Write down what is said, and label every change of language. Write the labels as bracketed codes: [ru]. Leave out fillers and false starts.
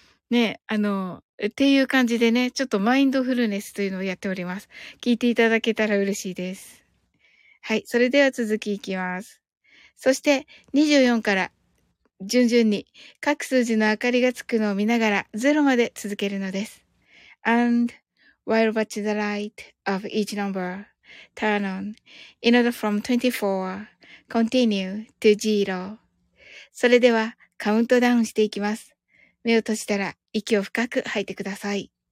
[ja] ね、あの、っていう感じでね、ちょっとマインドフルネスというのをやっております。聞いていただけたら嬉しいです。はい、それでは続きいきます。そして24から順々に各数字の明かりがつくのを見ながら0まで続けるのです。 [en] And while watch the light of each number turn on in order from 24 continue to 0. [ja] それではカウントダウンしていきます。目を閉じたら息を深く吐いてください。